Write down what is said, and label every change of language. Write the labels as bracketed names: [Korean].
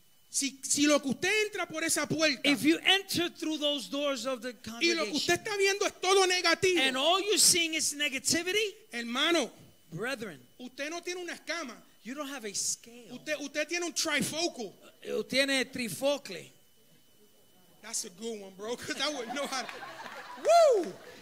[Spanish] Si lo que usted entra por esa puerta, [English] if you enter through those doors of the congregation, [Spanish] y lo que usted está viendo es todo negativo, [English] and all you're seeing is negativity, [Spanish] hermano, [English] brethren, [Spanish] usted no tiene una escama. [English] You don't have a scale. [Spanish] Usted tiene un trifocal. Tiene trifocle. [English] That's a good one, bro. Cause I wouldn't know how to. Woo.